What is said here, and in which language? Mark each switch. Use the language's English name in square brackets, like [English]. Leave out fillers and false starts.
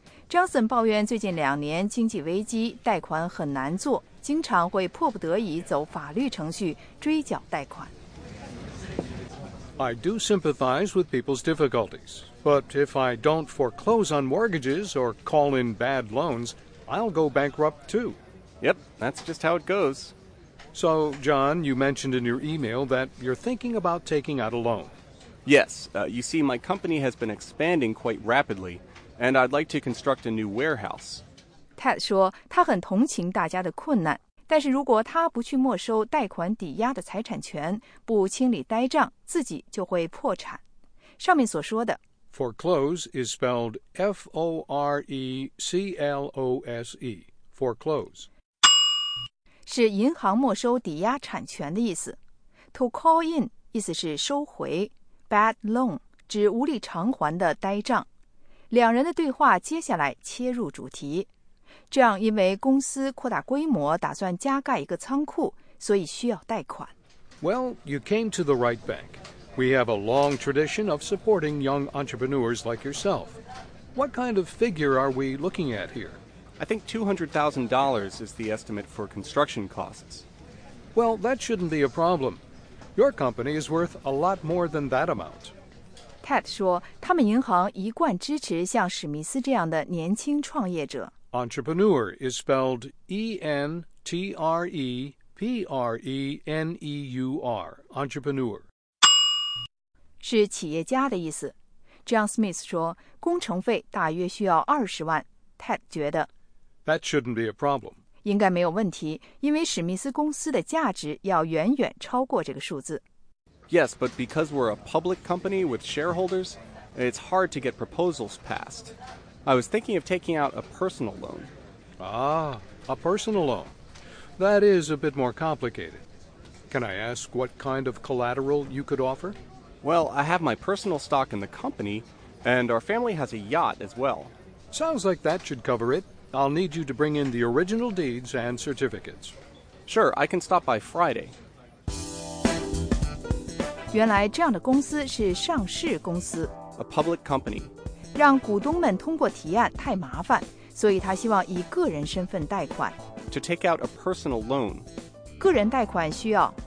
[Chinese] Johnson 抱怨最近两年经济危机，贷款很难做，经常会迫不得已走法律程序追缴贷款。 [English] I do sympathize with people's difficulties, but if I don't foreclose on mortgages or call in bad loans, I'll go bankrupt too. Yep, that's just how it goes. So, John, you mentioned in your email that you're thinking about taking out a loan. Yes, you see, my company has been expanding quite rapidly. And I'd like to construct a new warehouse. [Chinese] Ted 说他很同情大家的困难，但是如果他不去没收贷款抵押的财产权，不清理呆账，自己就会破产。上面所说的 [English] Foreclose is spelled F-O-R-E-C-L-O-S-E. Foreclose. [Chinese] 是银行没收抵押产权的意思。 [English] To call in [Chinese] 意思是收回。 [English] Bad loan [Chinese] 指无力偿还的呆账。两人的对话接下来切入主题。这样因为公司扩大规模打算加盖一个仓库，所以需要贷款。 [English] Well, you came to the right bank. We have a long tradition of supporting young entrepreneurs like yourself. What kind of figure are we looking at here? I think $200,000 is the estimate for construction costs. Well, that shouldn't be a problem. Your company is worth a lot more than that amount. [Chinese] Ted 说他们银行一贯支持像史密斯这样的年轻创业者。 [English] Entrepreneur is spelled E-N-T-R-E-P-R-E-N-E-U-R. Entrepreneur. [Chinese] 是企业家的意思。John Smith 说工程费大约需要20万。Ted 觉得 [English] That shouldn't be a problem. [Chinese] 应该没有问题，因为史密斯公司的价值要远远超过这个数字。 [English] Yes, but because we're a public company with shareholders, it's hard to get proposals passed. I was thinking of taking out a personal loan. Ah, a personal loan. That is a bit more complicated. Can I ask what kind of collateral you could offer? Well, I have my personal stock in the company, and our family has a yacht as well. Sounds like that should cover it. I'll need you to bring in the original deeds and certificates. Sure, I can stop by Friday. [Chinese] 原来这样的公司是上市公司。 [English] a public company. [Chinese] 让股东们通过提案太麻烦，所以他希望以个人身份贷款。 [English] To take out a personal loan. [Chinese] 个人贷款需要。